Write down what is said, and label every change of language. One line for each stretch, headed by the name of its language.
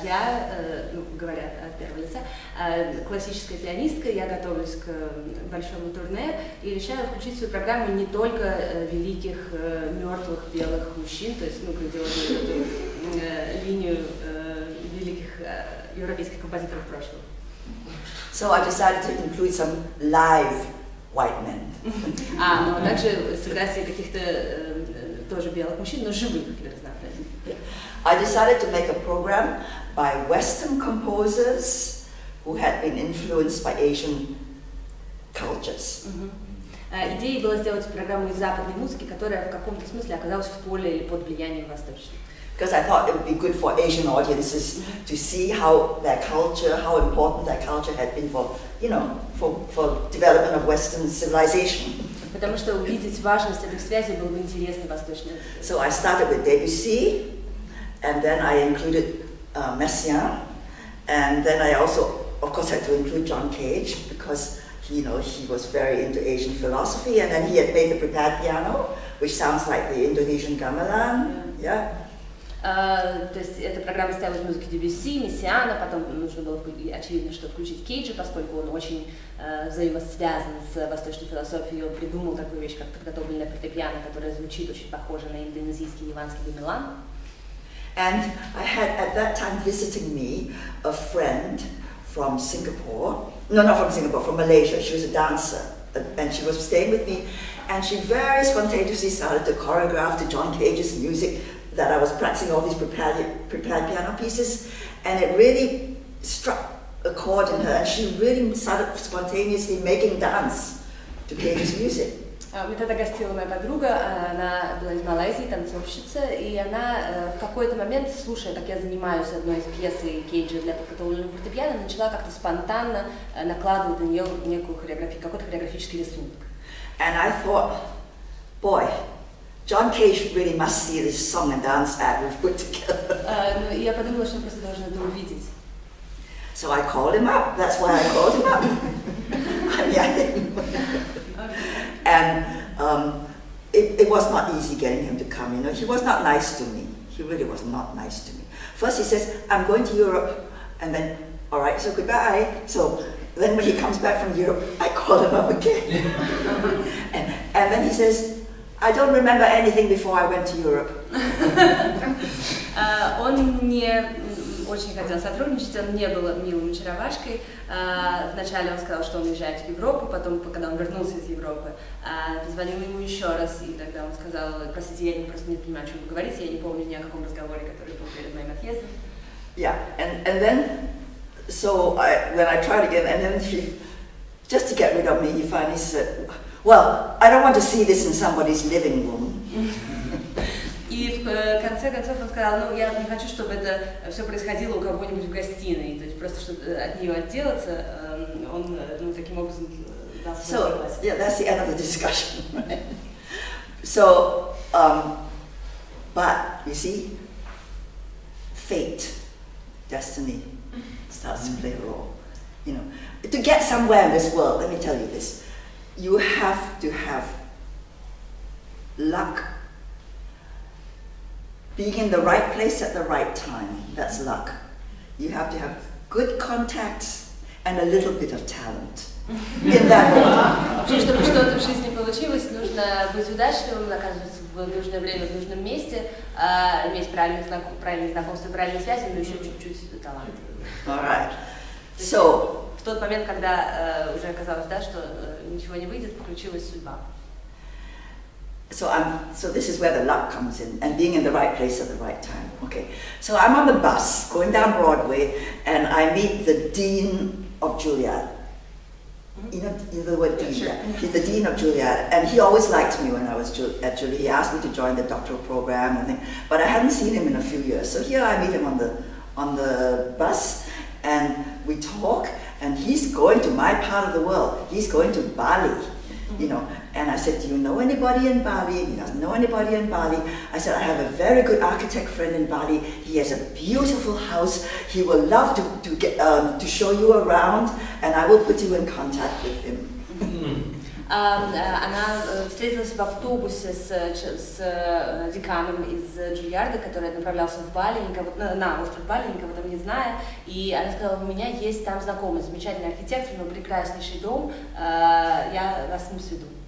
Russian: Я, говоря от первого лица, классическая пианистка, я готовлюсь к большому турне и решаю включить в свою программу не только великих мертвых белых мужчин, то есть, ну, грандиозную эту линию великих европейских композиторов прошлого.
English: So I decided to include some live white men.
Russian: Но также сыграть каких-то тоже белых мужчин, но живых, для разнообразия.
English: I decided to make a program by Western composers who had been influenced by Asian cultures.
Russian: Идея была сделать программу из западной музыки, которая в каком-то смысле оказалась в поле или под влиянием восточной.
English: because I thought it would be good for Asian audiences to see how their culture, how important that culture had been for, you know, for development of Western civilization.
Russian: Потому что увидеть важность этих связей было бы интересно восточным.
English: So I started with Debussy, and then I included Messiaen, and then I also, of course, had to include John Cage because, you know, he was very into Asian philosophy, and then he had made the prepared piano, which sounds like the Indonesian gamelan, yeah.
Russian: То есть эта программа состояла из музыки Дебюсси, Мессиана, потом нужно было, очевидно, что включить Кейджа, поскольку он очень взаимосвязан с восточной философией, он придумал такую вещь, как подготовленная фортепиано, которая звучит очень похоже на индонезийский ливанский гамелан.
English: And I had at that time visiting me a friend from Singapore, no, not from Singapore, from Malaysia. She was a dancer, and she was staying with me, and she very spontaneously started to choreograph to John Cage's music that I was practicing all these prepared piano pieces, and it really struck a chord in her, and she really started spontaneously making dance to Cage's music.
Russian: Мне тогда гостила моя подруга, она была из Малайзии, танцовщица, и она в какой-то момент, слушая, как я занимаюсь одной из пьес Кейджа для подготовленного фортепиано, начала как-то спонтанно накладывать на нее некую хореографию, какой-то хореографический рисунок.
English: And I thought, boy, John Cage really must see this song and dance act we've put together.
Russian: Ну, я подумала, что он просто должен это увидеть.
English: So I called him up, that's why I called him up. And it was not easy getting him to come, you know. He was not nice to me. He really was not nice to me. First he says, I'm going to Europe, and then, all right, so goodbye. So then when he comes back from Europe, I call him up again. and then he says, I don't remember anything before I went to Europe.
Russian: Он не очень хотел сотрудничать, он не был милым чаровашкой. Вначале он сказал, что он уезжает в Европу, потом, когда он вернулся из Европы, позвонил ему еще раз, и тогда он сказал, простите, я просто не понимаю, о чем вы говорите, я не помню ни о каком разговоре, который был перед моим отъездом.
English: Yeah, and then, so I, when I tried again, and then he, just to get rid of me, he finally said, well, I don't want to see this in somebody's living room.
Russian: И в конце концов он сказал, ну, я не хочу, чтобы это все происходило у кого-нибудь в гостиной. То есть просто, чтобы от нее отделаться, он, ну, таким образом дал согласие.
English: Yeah, that's the end of the discussion. So, but, you see, fate, destiny starts to play a role. You know, to get somewhere in this world, let me tell you this, you have to have luck. Being in the right place at the right time, that's luck. You have to have good contacts and a little bit of talent. In that order.
Russian: Чтобы что-то в жизни получилось, нужно быть удачливым, оказываться в нужное время, в нужном месте, иметь правильные знакомства, правильные связи, но еще чуть-чуть талант.
English: All right. So,
Russian: в тот момент, когда уже оказалось, да, что ничего не выйдет, включилась судьба.
English: So this is where the luck comes in, and being in the right place at the right time. Okay, so I'm on the bus going down Broadway, and I meet the dean of Juilliard. You know the word dean. Sure. He's the dean of Juilliard, and he always liked me when I was at Juilliard. He asked me to join the doctoral program, and things, but I hadn't seen him in a few years. So here I meet him on the bus, and we talk, and he's going to my part of the world. He's going to Bali. You know, and I said, do you know anybody in Bali? He doesn't know anybody in Bali. I said, I have a very good architect friend in Bali. He has a beautiful house. He will love to show you around, and I will put you in contact with him.
Russian: Она встретилась в автобусе с деканом из Джульярда, который направлялся в Бали, на остров Бали, никого там не зная, и она сказала, у меня есть там знакомый, замечательный архитектор, у него прекраснейший дом, я вас с ним сведу.